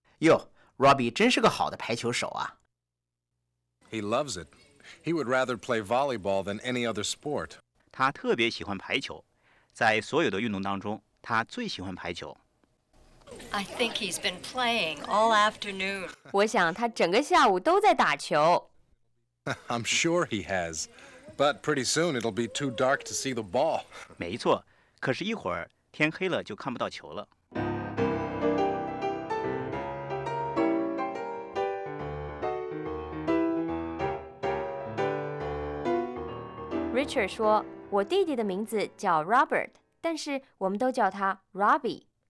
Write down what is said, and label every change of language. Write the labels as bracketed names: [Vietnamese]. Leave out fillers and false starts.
[Chinese] 哟 ，Robbie 真是个好的排球手啊。 [English] He loves it. He would rather play volleyball than any other sport. [Chinese] 他特别喜欢排球，在所有的运动当中，他最喜欢排球。 [English] I think he's been playing all afternoon. [Chinese] 我想他整个下午都在打球。 [English] I'm sure he has, but pretty soon it'll be too dark to see the ball. [Chinese] 没错，可是一会儿天黑了就看不到球了。 Richard 说，我弟弟的名字叫 Robert， 但是我们都叫他 Robbie。